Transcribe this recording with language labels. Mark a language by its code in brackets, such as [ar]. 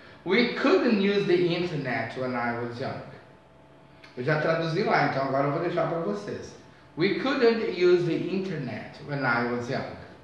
[en] We couldn't use the internet when I was young. [pt] Eu já traduzi lá, então agora eu vou deixar para vocês. [en] We couldn't use the internet when I was young.